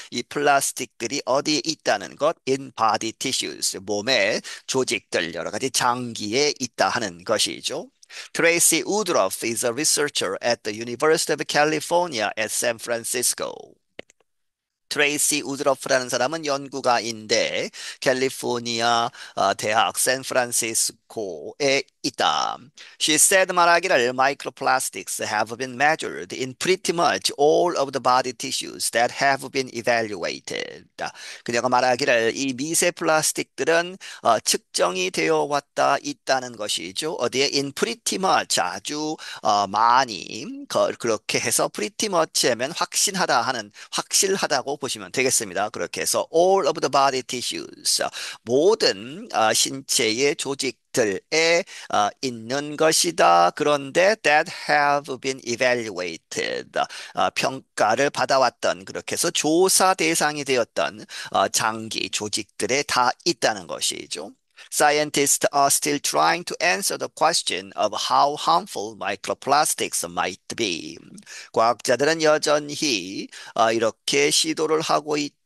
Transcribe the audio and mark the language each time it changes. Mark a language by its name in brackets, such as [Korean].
[Korean] 이 플라스틱들이 어디에 있다는 것, [English] in body tissues, [Korean] 몸의 조직들, 여러 가지 장기에 있다 하는 것이죠. [English] Tracy Woodruff is a researcher at the University of California at San Francisco. [Korean] 트레이시 우드러프라는 사람은 연구가인데 캘리포니아 대학 샌프란시스코에 있다. [English] She said [Korean] 말하기를 [English] microplastics have been measured in pretty much all of the body tissues that have been evaluated. [Korean] 그녀가 말하기를 이 미세 플라스틱들은 측정이 되어 왔다 있다는 것이죠. 어디에 [English] in pretty much [Korean] 아주 많이 그렇게 해서 pretty much 하면 확실하다고 보시면 되겠습니다. 그렇게 해서 [English] all of the body tissues [Korean] 모든 신체의 조직들에 있는 것이다. 그런데 [English] that have been evaluated [Korean] 평가를 받아왔던 그렇게 해서 조사 대상이 되었던 장기 조직들에 다 있다는 것이죠. [English] Scientists are still trying to answer the question of how harmful microplastics might be. [Korean] 과학자들은 여전히 이렇게 시도를 하고 있다.